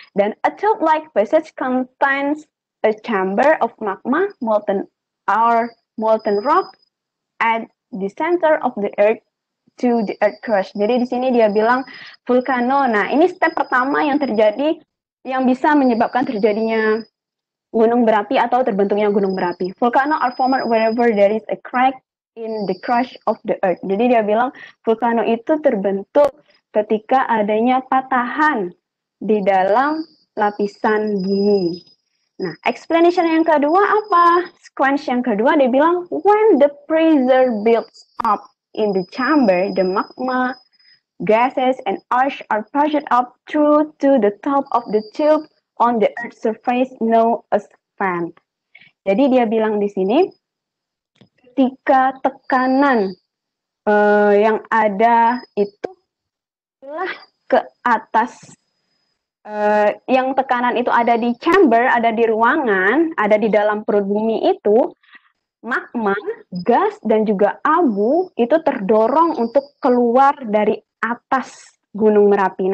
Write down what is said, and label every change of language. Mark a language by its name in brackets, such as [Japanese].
[English] Dan a tube-like passage contains a chamber of magma, molten or molten rock at the center of the earth to the earth crust. [Indonesian] Jadi di sini dia bilang vulkano. Nah, ini step pertama yang terjadi yang bisa menyebabkan terjadinya Gunung Merapi atau terbentuknya Gunung Merapi. [English] Vulkano are formed wherever there is a crack in the crust of the earth. [Indonesian] Jadi dia bilang vulkano itu terbentuk ketika adanya patahan di dalam lapisan bumi. Nah, explanation yang kedua apa? [English] Sequence [Indonesian] yang kedua dia bilang [English] when the pressure builds up in the chamber, the magma, gases, and ash are pushed up through to the top of the tube on the earth surface known as fan. [Indonesian] Jadi dia bilang di sini, ketika tekanan yang ada itu telah ke atas, yang tekanan itu ada di chamber, ada di ruangan, ada di dalam perut bumi itu, magma, gas, dan juga abu itu terdorong untuk keluar dari atas Gunung Merapi.